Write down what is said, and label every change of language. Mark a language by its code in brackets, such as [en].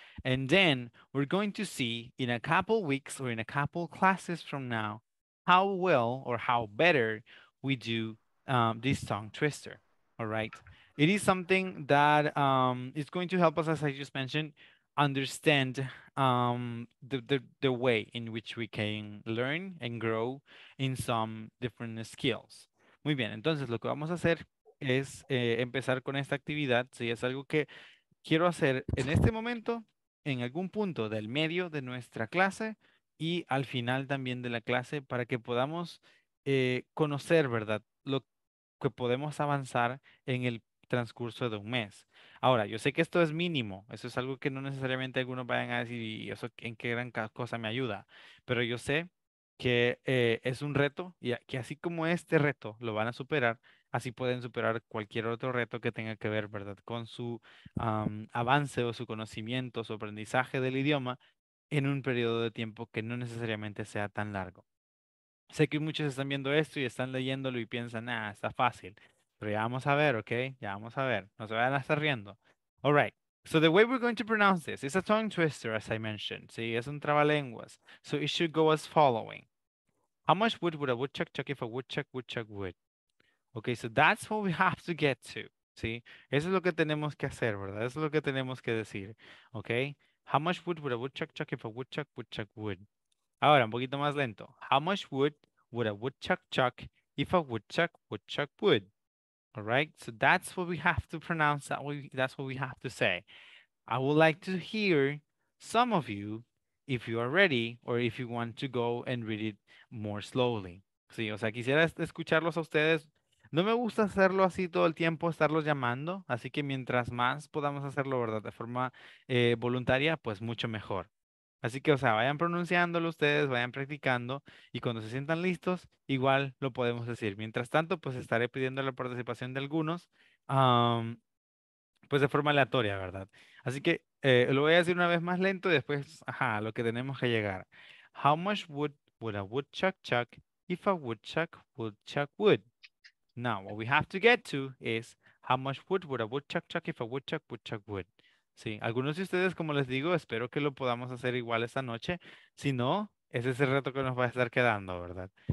[en] And then we're going to see in a couple weeks or in a couple classes from now, how well or how better we do this tongue twister. All right. It is something that is going to help us, as I just mentioned, understand the way in which we can learn and grow in some different skills. [es] Muy bien, entonces lo que vamos a hacer es empezar con esta actividad. Si es algo que quiero hacer en este momento, en algún punto del medio de nuestra clase y al final también de la clase para que podamos conocer, ¿verdad? Lo que podemos avanzar en el transcurso de un mes. Ahora, yo sé que esto es mínimo, eso es algo que no necesariamente algunos vayan a decir, y eso en qué gran cosa me ayuda, pero yo sé que es un reto y que así como este reto lo van a superar, así pueden superar cualquier otro reto que tenga que ver, ¿verdad?, con su avance o su conocimiento, su aprendizaje del idioma en un periodo de tiempo que no necesariamente sea tan largo. Sé que muchos están viendo esto y están leyéndolo y piensan, ah, está fácil. Pero ya vamos a ver, okay? Ya vamos a ver. No se vayan a estar riendo. [en] All right. So the way we're going to pronounce this is a tongue twister, as I mentioned. See, [es] es un trabalenguas. [en] So it should go as following. How much wood would a woodchuck chuck if a woodchuck would chuck wood? Okay, so that's what we have to get to. [es] See, eso es lo que tenemos que hacer, ¿verdad? Eso es lo que tenemos que decir, okay? [en] How much wood would a woodchuck chuck if a woodchuck would chuck wood? [es] Ahora, un poquito más lento. [en] How much wood would a woodchuck chuck if a woodchuck would chuck wood? All right, so that's what we have to pronounce, that's what we have to say. I would like to hear some of you, if you are ready, or if you want to go and read it more slowly. [es] Sí, o sea, quisiera escucharlos a ustedes. No me gusta hacerlo así todo el tiempo, estarlos llamando, así que mientras más podamos hacerlo, ¿verdad?, de forma voluntaria, pues mucho mejor. Así que, o sea, vayan pronunciándolo ustedes, vayan practicando y cuando se sientan listos, igual lo podemos decir. Mientras tanto, pues estaré pidiendo la participación de algunos, pues de forma aleatoria, ¿verdad? Así que Lo voy a decir una vez más lento y después, ajá, lo que tenemos que llegar. [en] How much wood would a woodchuck chuck if a woodchuck would chuck wood? Now, what we have to get to is how much wood would a woodchuck chuck if a woodchuck would chuck wood? [es] Sí, algunos de ustedes, como les digo, espero que lo podamos hacer igual esta noche. Si no, ese es el reto que nos va a estar quedando, ¿verdad?